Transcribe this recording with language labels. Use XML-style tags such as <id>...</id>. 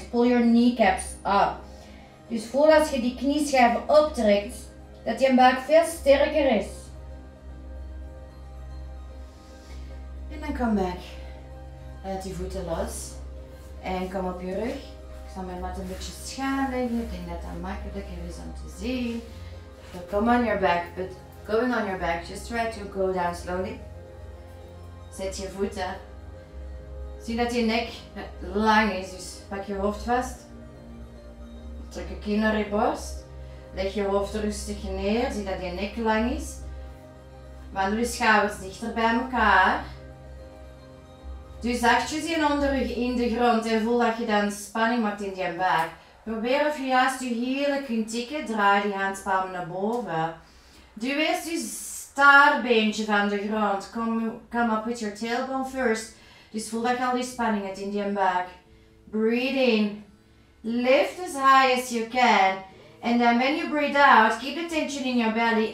<en>Pull your kneecaps up.</en> <nl>Dus voel als je die knieschijven optrekt, dat je buik veel sterker is. En dan kom back. Laat die voeten los. En kom op je rug. Ik zal mijn mat een beetje schuin leggen. Ik denk dat dat makkelijker is om te zien.</nl> <en>So come on your back, but going on your back, just try to go down slowly.</en> <nl>Zet je voeten. Zie dat je nek lang is, dus pak je hoofd vast. Trek je kin naar je borst. Leg je hoofd rustig neer, zie dat je nek lang is. Wandel je schouders dichter bij elkaar. Doe zachtjes je onderrug in de grond en voel dat je dan spanning maakt in je buik. Probeer of je juist je hielen kunt tikken, draai die handpalmen naar boven. Duw eerst je staartbeentje van de grond.</nl> <en>Come up with your tailbone first.</en> <nl>Dus voel dat al die spanning hebt in je buik.</nl> <en>Breathe in. Lift as high as you can. And then when you breathe out, keep the tension in your belly.</en>